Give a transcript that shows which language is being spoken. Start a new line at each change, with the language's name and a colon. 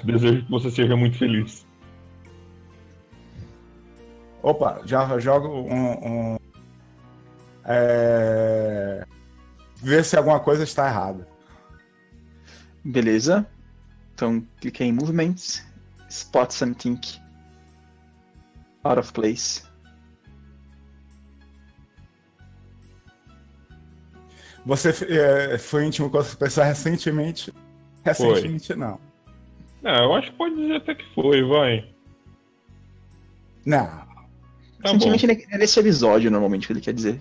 Portuguese: Desejo que você seja muito feliz. Opa, já jogo um... ver se alguma coisa está errada. Beleza. Então, clique em movements.
English: Spot something out of place.
Portuguese: Você foi íntimo com essa pessoa recentemente? Recentemente, foi. Não. Não, eu acho que pode dizer até que foi, vai. Não. Recentemente tá bom. É nesse episódio, normalmente, que ele quer dizer.